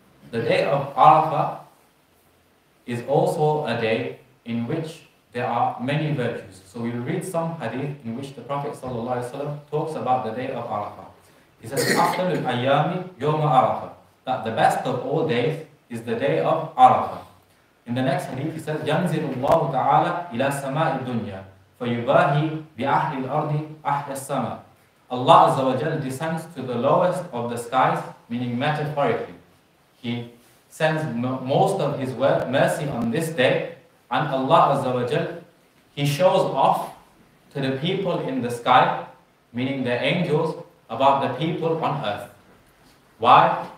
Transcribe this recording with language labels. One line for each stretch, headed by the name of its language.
English: The day of Arafah is also a day in which there are many virtues. So we'll read some hadith in which the Prophet ﷺ talks about the day of Arafah. He says,
Arabic: أَحْسَنُ الْأَيَّامِ يَوْمَ عَرَفَةٍ,
English: that the best of all days is the day of Arafah. In the next hadith he says,
Arabic: يَنْزِلُ اللَّهُ تَعَالَى إِلَى سَمَاءِ الدُّنْيَا فَيُبَاهِي بِأَحْلِ الْأَرْضِ أَحْلَ السَّمَاءِ.
English: Allah Azza wa Jal descends to the lowest of the skies, meaning metaphorically. He sends most of His mercy on this day, and Allah Azza wa Jal, He shows off to the people in the sky, meaning the angels, about the people on earth. Why?